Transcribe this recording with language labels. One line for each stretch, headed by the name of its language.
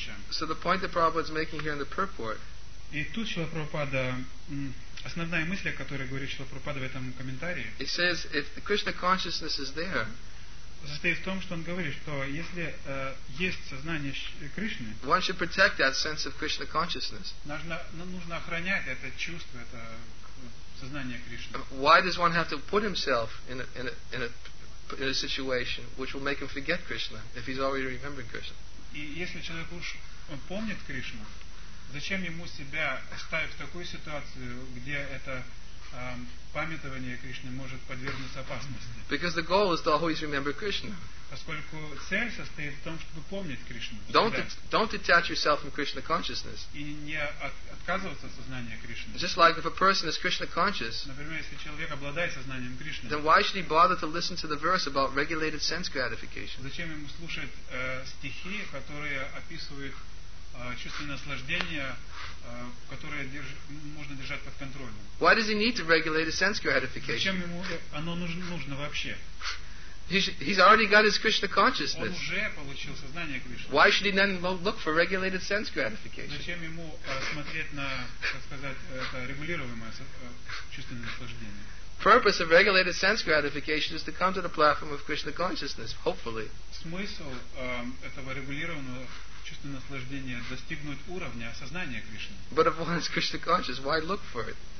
English: So the point that Prabhupada is making here in the purport.
Russian: И тут Шрила Прабхупада основная мысль, о которой говорит Шрила Прабхупада в этом комментарии.
English: He says if the Krishna consciousness is there.
Russian: Состоит в том, что он говорит, что если есть сознание Кришны.
English: One should protect that sense of Krishna consciousness.
Russian: Нужно охранять это чувство, это сознание Кришны.
English: Why does one have to put himself in a situation which will make him forget Krishna if he's already remembering Krishna?
Russian: И если человек уж помнит Кришну, зачем ему себя ставить в такую ситуацию, где это памятование Кришны может подвергнуться опасности?
English: Because the goal is to always remember Krishna.
Russian: Поскольку цель состоит в том, чтобы помнить Кришну.
English: Don't detach yourself from Krishna consciousness.
Russian: И не отказываться от сознания Кришны.
English: Just like if a person is Krishna conscious.
Russian: Например, если человек обладает сознанием Кришны.
English: Then why should he bother to listen to the verse about regulated sense gratification?
Russian: Зачем ему слушать стихи, которые описывают чувственное наслаждение, которое можно держать под контролем?
English: Why does he need to regulate his sense gratification?
Russian: Зачем ему оно нужно вообще?
English: He's already got his Krishna consciousness.
Russian: Он уже получил сознание Кришны.
English: Why should he then look for regulated sense gratification?
Russian: Зачем ему смотреть на, так сказать, это регулируемое чувственное наслаждение?
English: Purpose of regulated sense gratification is to come to the platform of Krishna consciousness, hopefully.
Russian: Смысл этого регулированного чувственного наслаждения достигнуть уровня сознания Кришны.
English: But if one is Krishna conscious, why look for it?